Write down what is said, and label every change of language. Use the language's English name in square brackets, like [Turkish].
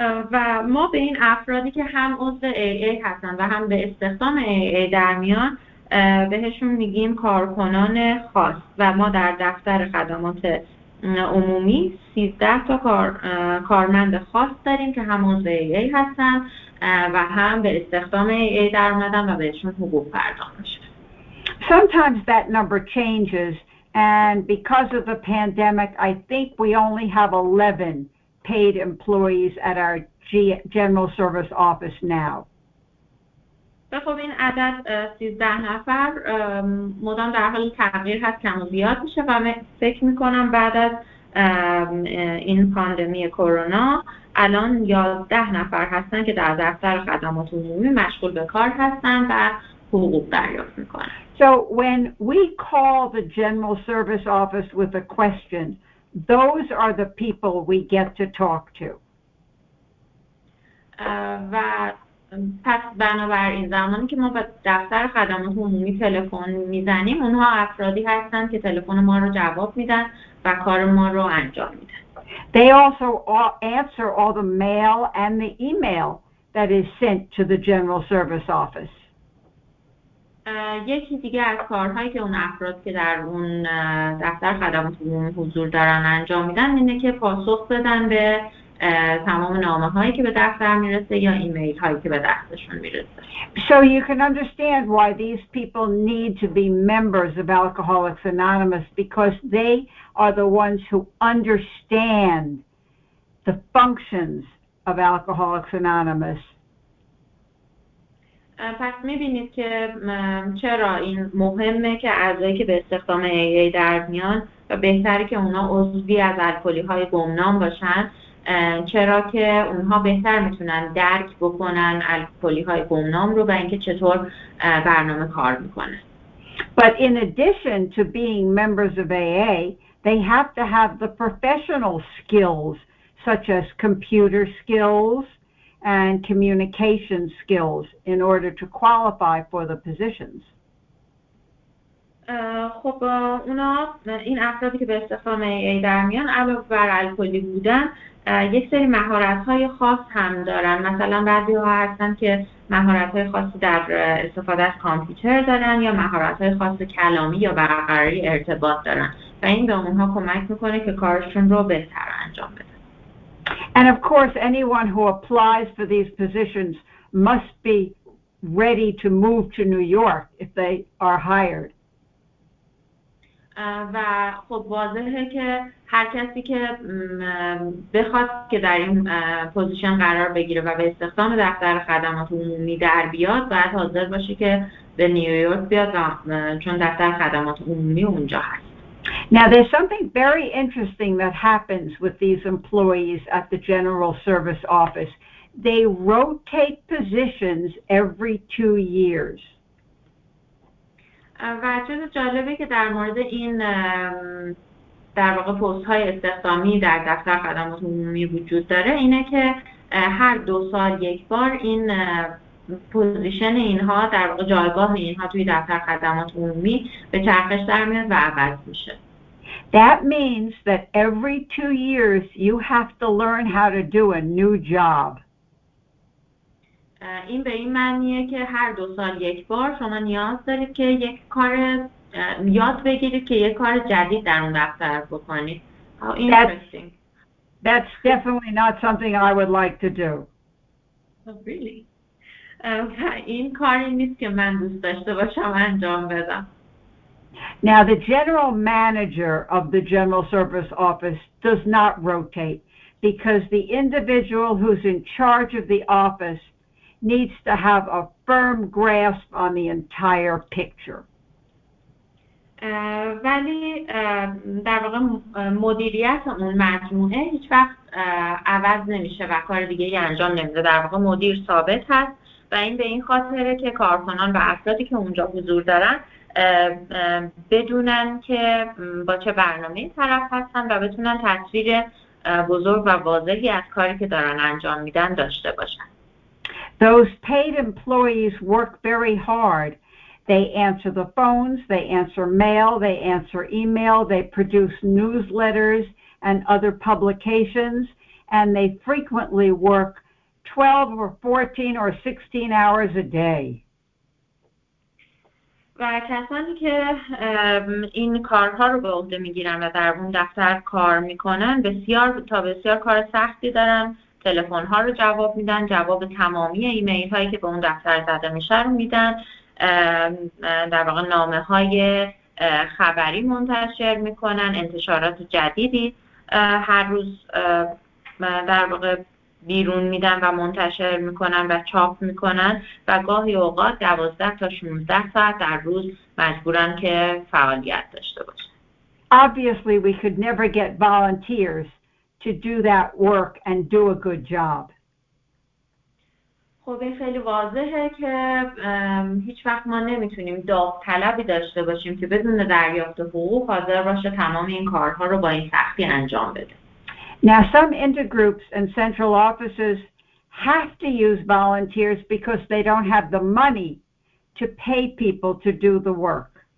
[Persian] و ما به این افرادی که هم عضو AA هستن و هم به استخدام AA در میان بهشون میگیم کارکنان خاص و ما در دفتر خدمات عمومی 13 تا کارمند خاص داریم که هم عضو AA هستن و هم به استخدام AA در اومدن و بهشون حقوق پرداخت میشه. [English] Sometimes that number changes and because of the pandemic I think we only have 11 paid employees at our general service office now. [Persian] خب این عدد 13 نفر مدام در حال تغییر هست کم و زیاد میشه و من فکر میکنم بعد از این پاندمی کرونا الان 11 نفر هستن که در دفتر خدمات عمومی مشغول به کار هستن و حقوق دریافت میکنن. [English] So when we call the general service office with a question, those are the people we get to talk to. [Persian] و پس بنابراین زمانی که ما به دفتر خدمات عمومی تلفن میزنیم اونها افرادی هستن که تلفن ما رو جواب میدن و کار ما رو انجام میدن. [English] They also answer all the mail and the email that is sent to the general service office. [Persian] یکی دیگه از کارهایی که اون افراد که در اون دفتر خدمات عمومی حضور دارن انجام میدن اینه که پاسخ بدن به تمام نامه هایی که به دفتر میرسه یا ایمیل هایی که به دستشون میرسه. [English] So you can understand why these people need to be members of Alcoholics Anonymous because they are the ones who understand the functions of Alcoholics Anonymous. [Persian] پس می‌بینید که چرا این مهمه که اعضایی که به استخدام AA در میان و بهتری که اونا عضوی از الکلی‌های گمنام باشن چرا که اونها بهتر میتونن درک بکنن الکلی‌های گمنام رو و اینکه چطور برنامه کار میکنه. [English] But in addition to being members of AA, they have to have the professional skills such as computer skills and communication skills in order to qualify for the positions. [Persian] خب اونا این افرادی که به استخدام AA در میان علاوه بر الکلی بودن یک سری مهارت‌های خاص هم دارن. مثلا بعضی ها هستن که مهارت‌های خاصی در استفاده از کامپیوتر دارن یا مهارت‌های خاص کلامی یا برقراری ارتباط دارن و این به اونها کمک میکنه که کارشون رو بهتر انجام بدن. [English] And of course, anyone who applies for these positions must be ready to move to New York if they are hired. [Persian] و خب واضحه که هر کسی که بخواد که در این پوزیشن قرار بگیره و به استخدام دفتر خدمات عمومی در بیاد باید حاضر باشه که به نیویورک بیاد چون دفتر خدمات عمومی اونجا هست. [English] Now, there's something very interesting that happens with these employees at the General Service Office. They rotate positions every 2 years. [Persian] و چیز جالبه که در مورد این در واقع پست‌های استخدامی در دفتر خدمات عمومی وجود داره اینه که هر 2 سال یک بار این پوزیشن اینها در واقع جایگاه اینها توی دفتر خدمات عمومی به چرخش در میاد و عوض میشه. [English] That means that every 2 years you have to learn how to do a new job. [Persian] این به این معنیه که هر 2 سال یک بار شما نیاز دارید که یک کار یاد بگیرید که یک کار جدید در اون دفتر بکنید. [English] How interesting. That's definitely not something I would like to do. Oh, really? [Persian] این کاری نیست که من دوست داشته باشم انجام بدم. [English] Now, the general manager of the General Service Office does not rotate because the individual who's in charge of the office needs to have a firm grasp on the entire picture. [Persian] ولی در واقع مدیریت اون مجموعه هیچ وقت عوض نمیشه و کار دیگه ای انجام نمیده. در واقع مدیر ثابت هست و این به این خاطره که کارکنان و افرادی که اونجا حضور دارن بدونن که با چه برنامه طرف هستن و بتونن تصویر بزرگ و واضحی از کاری که دارن انجام میدن داشته باشن. [English] Those paid employees work very hard. They answer the phones, they answer mail, they answer email, they produce newsletters and other publications, and they frequently work 12 or 14 or 16 hours a day. [Persian] و کسانی که این کارها رو به عهده میگیرن و در اون دفتر کار میکنن بسیار تا بسیار کار سختی دارن. تلفن ها رو جواب میدن، جواب تمامی ایمیل هایی که به اون دفتر زده میشه رو میدن، در واقع نامه های خبری منتشر میکنن، انتشارات جدیدی هر روز در واقع بیرون میدن و منتشر میکنن و چاپ میکنن و گاهی اوقات 12 تا 16 ساعت در روز مجبورن که فعالیت داشته باشن. [English] Obviously we could never get volunteers to do that work and do a good job. [Persian] خب این خیلی واضحه که هیچ وقت ما نمیتونیم داوطلبی داشته باشیم که بدون دریافت حقوق حاضر باشه تمام این کارها رو با این سختی انجام بده. [English] Now some intergroups and central offices have to use volunteers because they don't have the money to pay people to do the work.